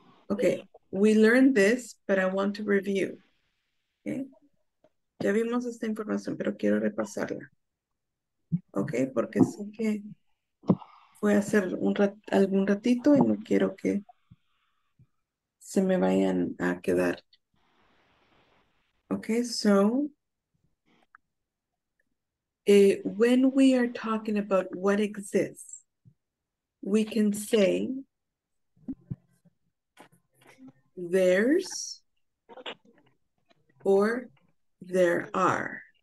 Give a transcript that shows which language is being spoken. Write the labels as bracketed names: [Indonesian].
[English] Okay, we learned this, but I want to review, okay? [Spanish] Ya vimos esta información, pero quiero repasarla, okay? Porque sé que voy a hacer algún ratito y no quiero que se me vayan a quedar. [English] Okay, so when we are talking about what exists, we can say there's or there are.